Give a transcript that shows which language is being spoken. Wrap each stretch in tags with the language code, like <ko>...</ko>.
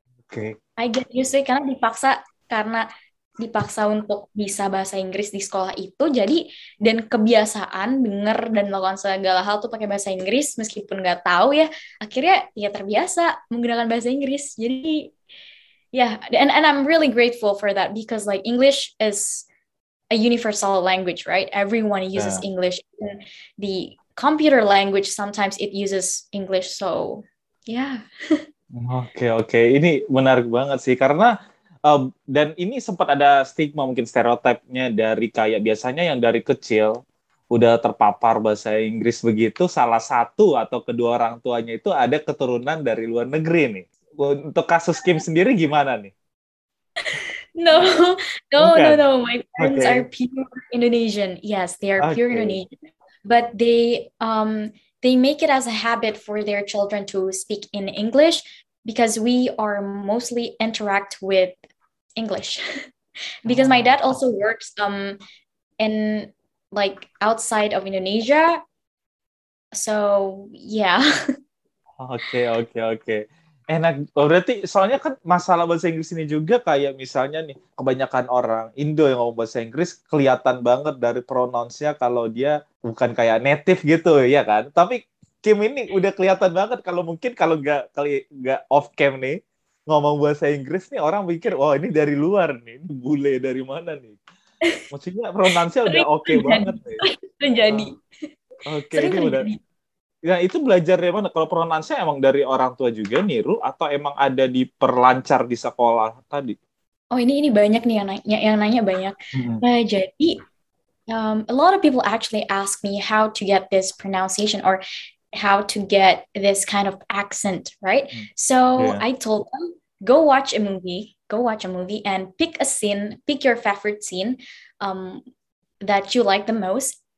<en>okay. I get used to it</en> <id>karena dipaksa untuk bisa bahasa Inggris di sekolah itu, jadi dan kebiasaan denger dan melakukan segala hal tuh pakai bahasa Inggris meskipun nggak tahu ya, akhirnya ya terbiasa menggunakan bahasa Inggris. Jadi ya, yeah.</id> <en>and I'm really grateful for that because like English is a universal language, right? Everyone uses English. And the computer language sometimes it uses English, so yeah. Okay.</en> <id>Ini menarik banget sih karena dan ini sempat ada stigma mungkin stereotipnya dari kayak biasanya yang dari kecil udah terpapar bahasa Inggris begitu, salah satu atau kedua orang tuanya itu ada keturunan dari luar negeri nih. Untuk kasus Kim sendiri gimana nih?</id> <en>No. My parents are pure Indonesian. Yes, they are pure Indonesian. But they make it as a habit for their children to speak in English because we are mostly interact with English because my dad also works in like outside of Indonesia, so yeah. okay</en> <id>Enak, berarti soalnya kan masalah bahasa Inggris ini juga kayak misalnya nih, kebanyakan orang Indo yang ngomong bahasa Inggris kelihatan banget dari pronounce-nya kalau dia bukan kayak native gitu, ya kan? Tapi Kim ini udah kelihatan banget kalau mungkin kalau nggak off-cam nih, ngomong bahasa Inggris nih orang mikir, wah ini dari luar nih, ini bule dari mana nih? Maksudnya pronounce-nya udah oke banget nih. Menjadi. Oke, ini udah... Nah, itu belajar dari mana? Kalau pronansinya emang dari orang tua juga niru atau emang ada diperlancar di sekolah tadi? Oh, ini banyak nih yang nanya banyak. Nah, jadi</id> <en>a lot of people actually ask me how to get this pronunciation or how to get this kind of accent, right? So, yeah. I told them, go watch a movie and pick your favorite scene that you like the most.</en>